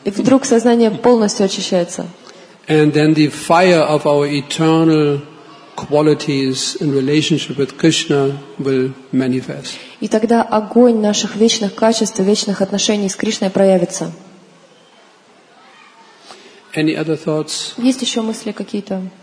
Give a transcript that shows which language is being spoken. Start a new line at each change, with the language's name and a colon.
Russian: И вдруг сознание полностью очищается.
English: And then the fire of our eternal qualities in relationship with Krishna will manifest.
Russian: И тогда огонь наших вечных качеств, вечных отношений с Кришной проявится.
English: Any other thoughts?
Russian: Есть еще мысли какие-то?